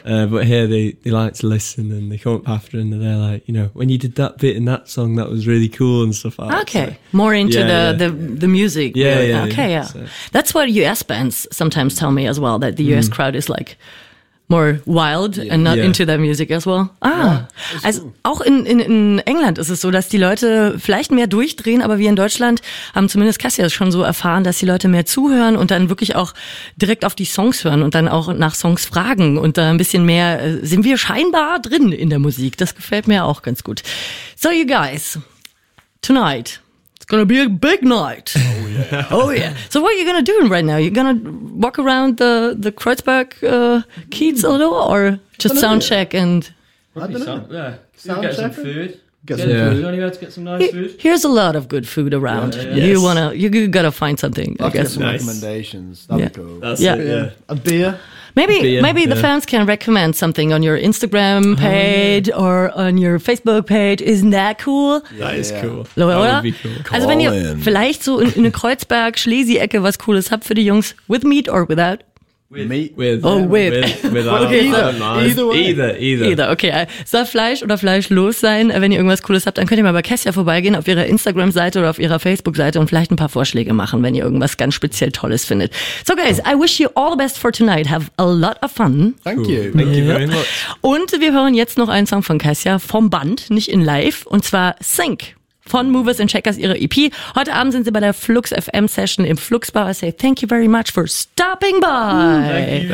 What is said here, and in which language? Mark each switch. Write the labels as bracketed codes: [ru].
[en] But here they like to listen and they come up after and they're like, you know, when you did that bit in that song, that was really cool and stuff like that. Okay. So, more into the music. Yeah. That's what US bands sometimes tell me as well, that the US crowd is like more wild and not into their music as well. [de] Auch in England ist es so, dass die Leute vielleicht mehr durchdrehen, aber wir in Deutschland haben zumindest Cassia schon so erfahren, dass die Leute mehr zuhören und dann wirklich auch direkt auf die Songs hören und dann auch nach Songs fragen und da ein bisschen mehr sind wir scheinbar drin in der Musik. Das gefällt mir auch ganz gut. [en] So you guys, tonight, it's gonna be a big night. Oh yeah. So what are you gonna do right now? You're gonna walk around the Kreuzberg Kiez a little, or just sound check and sound check? Some food. Here's a lot of good food around. You gotta find something. I guess some recommendations. That'd be cool. That's it. A beer. Maybe the fans can recommend something on your Instagram page or on your Facebook page. Isn't that cool? That is cool. [de] Lower, oder? Cool. Also wenn ihr vielleicht so in eine Kreuzberg-Schlesi-Ecke was Cooles habt für die Jungs, [en] with meat or without? Either. [de] Okay, soll Fleisch oder fleischlos sein. Wenn ihr irgendwas Cooles habt, dann könnt ihr mal bei Kesia vorbeigehen auf ihrer Instagram-Seite oder auf ihrer Facebook-Seite und vielleicht ein paar Vorschläge machen, wenn ihr irgendwas ganz speziell Tolles findet. [en] So guys, I wish you all the best for tonight. Have a lot of fun. Thank you very much. [de] Und wir hören jetzt noch einen Song von Kesia vom Band, nicht in live, und zwar Sync von Movers and Checkers, ihre EP. Heute Abend sind sie bei der Flux FM Session im Flux Bar. [en] I say thank you very much for stopping by.